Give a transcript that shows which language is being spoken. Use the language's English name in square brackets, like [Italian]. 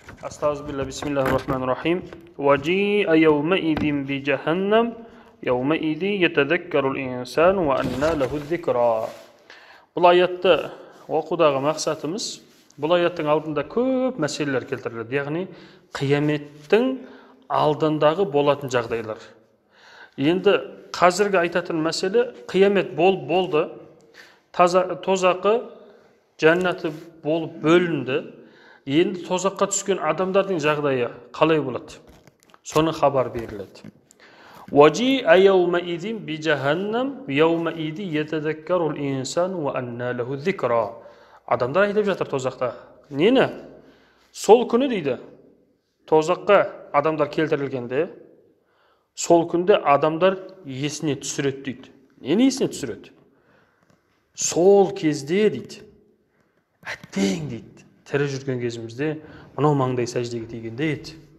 [Arabic] أستغفر الله، بسم الله الرحمن الرحيم. وجيء يومئذ بجهنم يومئذ يتذكر الإنسان وأنى له الذكرى. [Kazakh] Бұл аятты оқудағы мақсатымыз, бұл аяттың алдында көп мәселелер келтіріледі, яғни қияметтің алдындағы болатын жағдайлар. Енді қазіргі айтатын мәселе, қиямет болды, тозақы жәннаты болып бөлінді, енді тозаққа түскен адамдардың жағдайы қалай болады, соны хабар беріледі. [Arabic] وجيء يومئذ بجهنم يومئذ يتذكر الانسان وان له الذكرى. [Kazakh] адамдар айтып жатыр тозақта, нені? Сол күні дейді, тозаққа адамдар келтірілгенде сол күнде адамдар есіне түсіреді дейді. Нені есіне түсіреді? Сол кезде дейді, әттең дейді, тірі жүрген кезімізде мынау маңдай сәждеге дегенде еді,